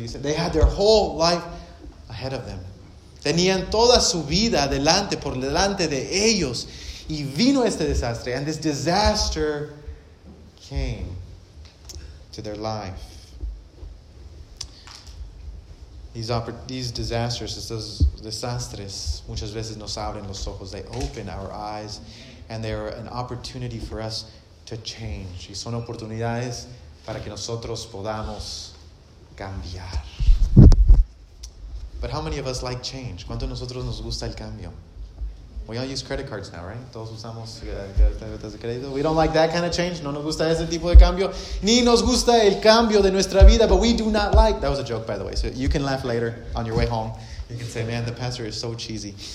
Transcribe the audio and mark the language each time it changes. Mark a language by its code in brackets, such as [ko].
[en] He said they had their whole life ahead of them. [es] Tenían toda su vida adelante, por delante de ellos. Y vino este desastre. [en] And this disaster came to their life. These disasters, [es] estos desastres, muchas veces nos abren los ojos. [en] They open our eyes. And they are an opportunity for us to change. [es] Y son oportunidades para que nosotros podamos cambiar. [en] But how many of us like change? [es] ¿Cuántos de nosotros nos gusta el cambio? [en] We all use credit cards now, right? [es] Todos usamos tarjetas de crédito. [en] We don't like that kind of change. [es] No nos gusta ese tipo de cambio. Ni nos gusta el cambio de nuestra vida. [en] But we do not like... That was a joke, by the way. So you can laugh later on your way home. You can say, man, the pastor is so cheesy.